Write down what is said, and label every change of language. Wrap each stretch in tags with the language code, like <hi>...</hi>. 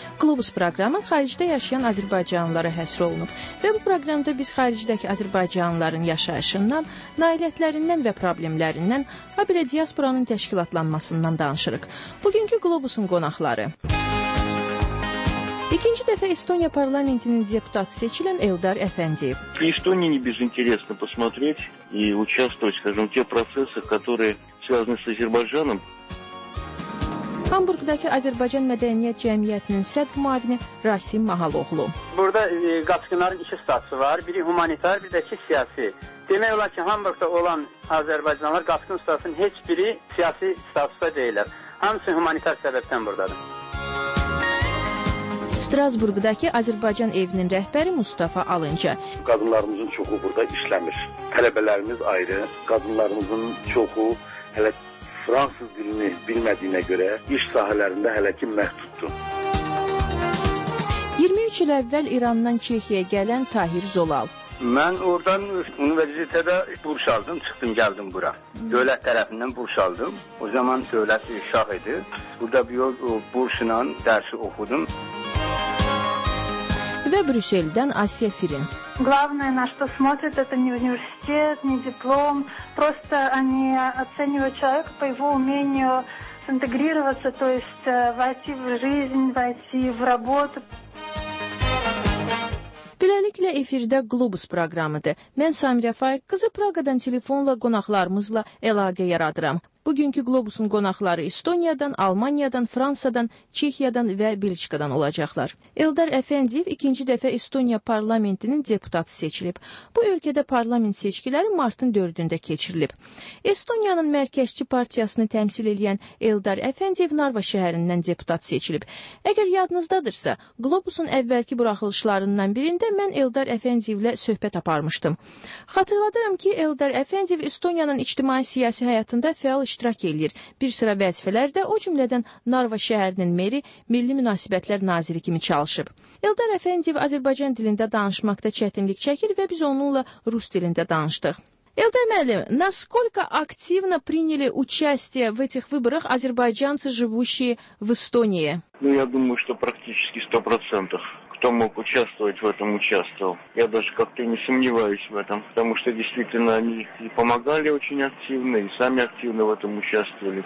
<az>Globus proqramı xaricdə yaşayan azərbaycanlılara həsr olunub və bu proqramda biz xaricdəki azərbaycanlıların yaşayışından, nailiyyətlərindən və problemlərindən, habelə diasporanın təşkilatlanmasından danışırıq. Bugünkü Globusun qonaqları. İkinci dəfə Estoniya parlamentinin deputatı seçilən Eldar Əfəndiyev. Estoniyanı biz interesli</az> <ru>посмотреть и участвовать, скажем, те процессы, которые связаны с Азербайджаном.</ru> <az>Hamburqdakı Azərbaycan Mədəniyyət Cəmiyyətinin sədr müavini Rasim Mahaloğlu. Burada qaçqınların iki statusu var, biri humanitar, bir də ki, siyasi. Demək olar ki, Hamburqda olan Azərbaycanlılar qaçqın statusunun heç biri siyasi statusda deyilər. Hamısı humanitar səbəbdən buradadır. Strasburqdakı Azərbaycan evinin rəhbəri Mustafa Alınca. Qadınlarımızın çoxu burada işləmir. Tələbələrimiz ayrı, qadınlarımızın çoxu hələ Fransız dilini bilmədiyinə görə iş sahələrində hələ ki məhduddur. 23 il əvvəl İrandan Çexiyə gələn Tahir Zolal. Mən oradan universitetə burs aldım, çıxdım, gəldim bura. Dövlət tərəfindən burs aldım. O zaman dövlət şah idi. Burada bir yol bursla dərsi oxudum. Və Brüsseldən Asiya Firins.</az> <ru>Главное, на что смотрят, это не университет, не диплом. Просто они оценивают человека по его умению интегрироваться, то есть войти в жизнь, войти в работу.</ru> <az>Beləliklə, efirdə Globus proqramıdır. Mən Samirə Faik qızı Praqadan telefonla qonaqlarımızla əlaqə yaradıram. Bugünkü Globus'un qonaqları Estoniyadan, Almaniyadan, Fransadan, Çexiyadan və Belçikadan olacaqlar. Eldar Əfəndiyev ikinci dəfə Estoniya parlamentinin deputatı seçilib. Bu ölkədə parlament seçkiləri martın 4-də keçirilib. Estoniyanın mərkəzçi partiyasını təmsil edən Eldar Əfəndiyev Narva şəhərindən deputat seçilib. Əgər yadınızdadırsa, Globus'un əvvəlki buraxılışlarından birində mən Eldar Əfəndiyevlə söhbət aparmışdım. Xatırladıram ki, Eldar Əfəndiyev Estoniyanın ictimai-siyasi həyatında fəal iştirak edir. Bir sıra vəzifələrdə, o cümlədən Narva şəhərinin meri, Milli Münasibətlər Naziri kimi çalışıb. Eldar Əfəndiyev Azərbaycan dilində danışmaqda çətinlik çəkir və biz onunla rus dilində danışdıq.</az> <ru>Eldar müəllim, насколько активно приняли участие в этих выборах азербайджанцы, живущие в Эстонии? Ну, я думаю, что практически 100%. Кто мог участвовать в этом, участвовал. Я даже как-то не сомневаюсь в этом, потому что действительно они и помогали очень активно, и сами активно в этом участвовали.</ru>